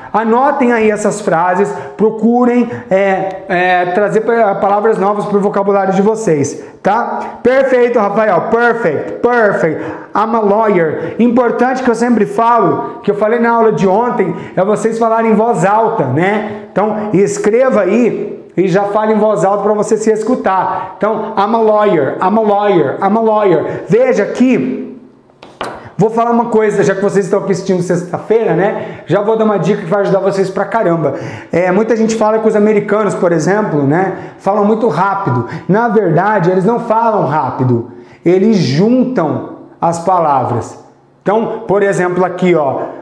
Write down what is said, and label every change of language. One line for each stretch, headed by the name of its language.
Portuguese: Anotem aí essas frases, procurem trazer palavras novas para o vocabulário de vocês, tá? Perfeito,
English: Rafael, perfect, perfect. I'm a lawyer.
Portuguese: Importante que eu sempre falo, que eu falei na aula de ontem, é vocês falarem em voz alta, né? Então escreva aí, e já fala em voz alta para você se escutar. Então,
English: I'm a lawyer, I'm a lawyer, I'm a lawyer.
Portuguese: Veja aqui, vou falar uma coisa, já que vocês estão aqui assistindo sexta-feira, né? Já vou dar uma dica que vai ajudar vocês pra caramba. É, muita gente fala que os americanos, por exemplo, né? Falam muito rápido. Na verdade, eles não falam rápido. Eles juntam as palavras. Então, por exemplo, aqui, ó.